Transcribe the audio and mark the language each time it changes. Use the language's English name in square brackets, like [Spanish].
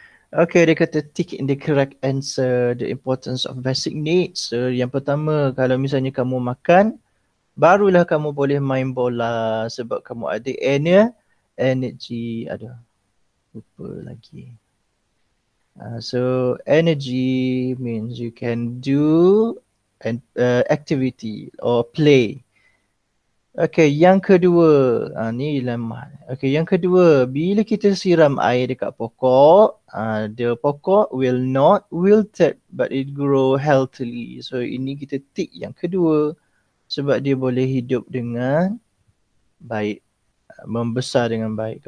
[English] Okay, [Malay] dia kata [English] tick in the correct answer, the importance of basic needs. [Malay] So, yang pertama, kalau misalnya kamu makan, barulah kamu boleh main bola sebab kamu ada energy, ada. Lupa lagi. [English] So energy means you can do an activity or play. [Malay] Okay, yang kedua, ni lemah. Okay, yang kedua, bila kita siram air dekat pokok, [English] the pokok will not wilted but it grow healthily. [Malay] So ini kita tick yang kedua sebab dia boleh hidup dengan baik, membesar dengan baik.